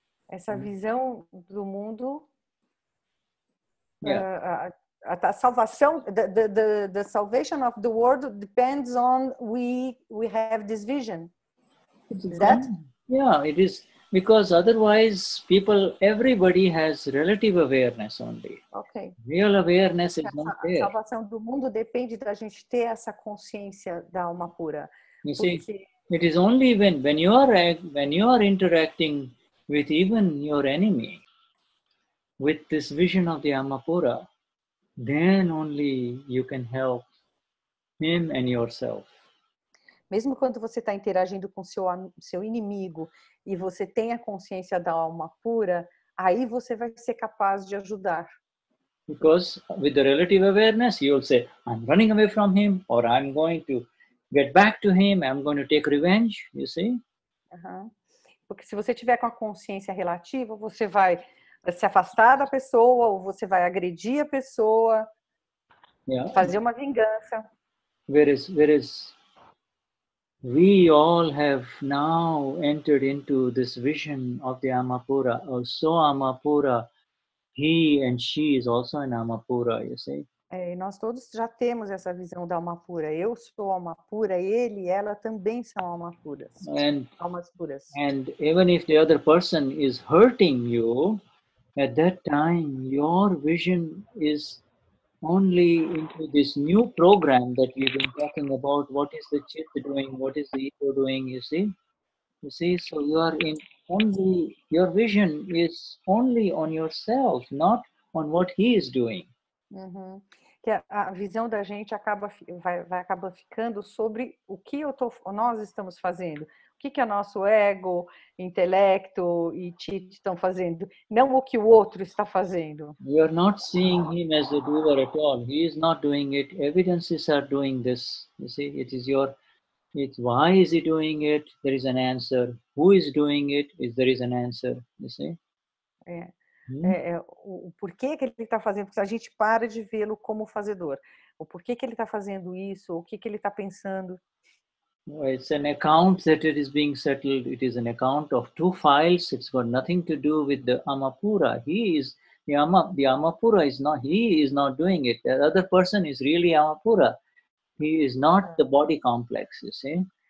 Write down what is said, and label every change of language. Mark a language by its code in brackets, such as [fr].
[pt] Essa visão do mundo, yeah. A salvação, [en] the salvation of the world depends on we have this vision. Is that? Yeah, it is. Because otherwise, people, everybody has relative awareness only. Okay. Real awareness is not there. [pt] A salvação do mundo depende da gente ter essa consciência da alma pura. [en] You see, it is only when you are interacting with even your enemy, with this vision of the Amapura, then only you can help him and yourself. [pt] Mesmo quando você está interagindo com seu inimigo e você tem a consciência da alma pura, aí você vai ser capaz de ajudar. [en] Because with the relative awareness, you will say, I'm running away from him, or I'm going to get back to him, I'm going to take revenge, you see? Uhum. [pt] Porque se você tiver com a consciência relativa, você vai se afastar da pessoa, ou você vai agredir a pessoa, yeah. Fazer uma vingança. [en] Whereas we all have now entered into this vision of the Amapura. Also Amapura, he and she is also an Amapura, you see? [pt] É, nós todos já temos essa visão da Amapura. Eu sou Amapura, ele e ela também são Amapuras. [en] And, [pt] almas puras. [en] And even if the other person is hurting you, at that time, your vision is only into this new program that we've been talking about, what is the chit doing, what is the ego doing, you see, so you are in only, your vision is only on yourself, not on what he is doing. [pt] Uhum. Que a visão da gente acaba, vai acabar ficando sobre o que nós estamos fazendo, o que é nosso ego, intelecto e chit estão fazendo, não o que o outro está fazendo. [en] You are not seeing him as the doer at all. He is not doing it. Evidences are doing this. You see, it is your, it's why is he doing it? There is an answer. Who is doing it? There is an answer. You see? [pt] É. Hmm? O porquê que ele está fazendo, porque a gente para de vê-lo como fazedor. O porquê que ele está fazendo isso, o que que ele está pensando. [en] It's an account that it is being settled. It is an account of two files. It's got nothing to do with the Amapura. He is the Amapura is not. He is not doing it. The other person is really Amapura. He is not the body complex. You see?